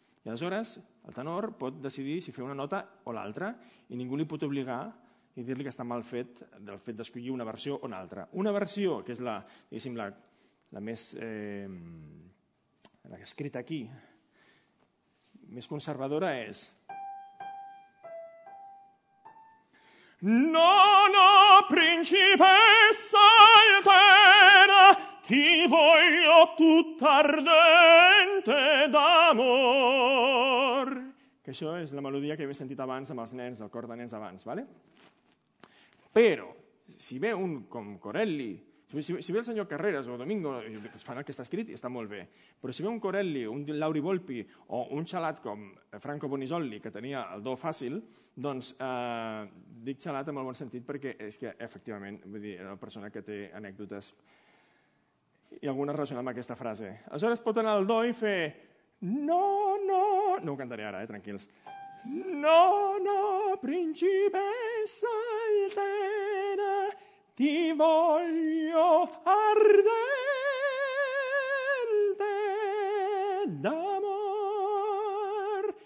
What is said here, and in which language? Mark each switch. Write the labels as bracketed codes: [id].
[ca] I aleshores el tenor pot decidir si fer una nota o l'altra i ningú li pot obligar i dir-li que està mal fet del fet d'escollir una versió o una altra. Una versió, que és la que escrita aquí, més conservadora és... [it] Nona principessa altera, ti voglio tutta ardente d'amor. [ca] Que això és la melodia que he sentit abans amb els nens, el cor de nens abans, vale? Però, si ve un com Corelli, si ve el senyor Carreras o Domingo, fan el que està escrit i està molt bé, però si ve un Corelli, un Lauri Volpi o un xalat com Franco Bonisoli, que tenia el do fàcil, doncs dic xalat en el bon sentit perquè és que efectivament vull dir, era una persona que té anècdotes i alguna relaciona amb aquesta frase. Aleshores pot anar al do i fer no, no ho cantaré ara, tranquils. [it] No, principessa altera, ti voglio ardente d'amor.